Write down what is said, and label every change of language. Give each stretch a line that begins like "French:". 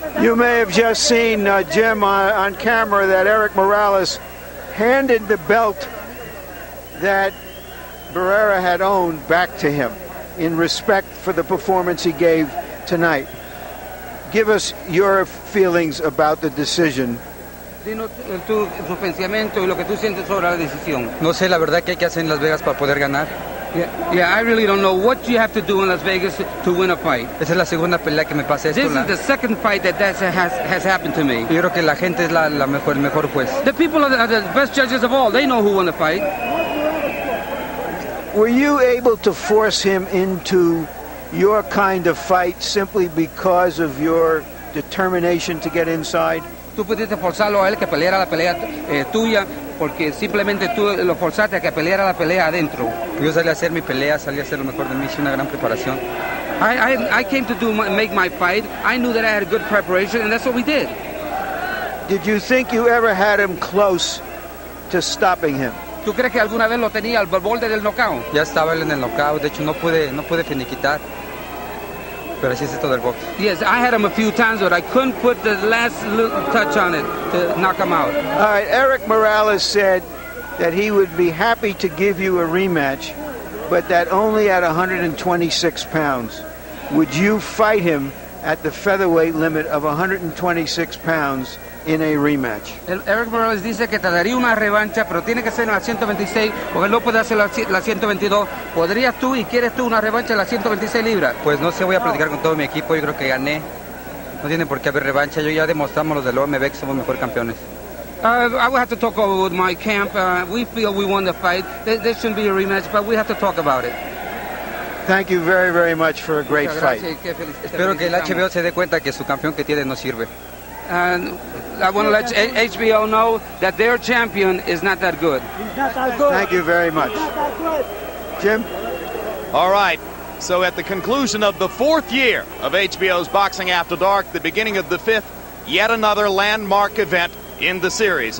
English: You may have just seen, Jim, on camera that Eric Morales handed the belt that Barrera had owned back to him in respect for the performance he gave tonight. Give us your feelings about the decision.
Spanish: Dinos tu pensamiento y lo que tú sientes sobre la decisión. No sé la verdad qué hay que hacer en Las Vegas para poder ganar.
English: Yeah, I really don't know what you have to do in Las Vegas to win a fight.
Spanish: Esa es la segunda pelea que me pasa esto.
English: This is the second fight that has happened to me.
Spanish: Yo creo que la gente es la mejor, el mejor juez.
English: The people are the best judges of all. They know who won the fight. Were you able to force him into your kind of fight simply because of your determination to get inside?
Spanish: Tú pudiste forzarlo a él que peleara la pelea tuya porque simplemente tú lo forzaste a que peleara la pelea adentro. Yo salí a hacer mi pelea, salí a hacer lo mejor de mí, hice una gran preparación.
English: I came to make my fight. I knew that I had a good preparation and that's what we did. Did you think you ever had him close to stopping him?
Spanish: ¿Tú crees que alguna vez lo tenía al borde del knockout? Ya estaba él en el knockout, de hecho no pude finiquitar. Pero así es todo el box.
English: Yes, I had him a few times, but I couldn't put the last little touch on it to knock him out. All right, Eric Morales said that he would be happy to give you a rematch, but that only at 126 pounds. Would you fight him at the featherweight limit of 126 pounds in a rematch?
Spanish: Eric Morales dice que te daría una revancha, pero tiene que ser en la 126, porque él no puede hacer la 122. ¿Podrías tú y quieres tú una revancha en la 126 libras? Pues no sé, voy a platicar con todo mi equipo. Yo creo que gané. No tiene por qué haber revancha. Yo ya demostramos los del OMB que somos mejores campeones.
English: I will have to talk over with my camp. We feel we won the fight. This shouldn't be a rematch, but we have to talk about it. Thank you very, very much for a great fight.
Spanish: Espero que el HBO se dé cuenta que su campeón que tiene no sirve.
English: And I want to let HBO know that their champion is not that good. Thank you very much. Jim? All right. So at the conclusion of the fourth year of HBO's Boxing After Dark, the beginning of the fifth, yet another landmark event in the series.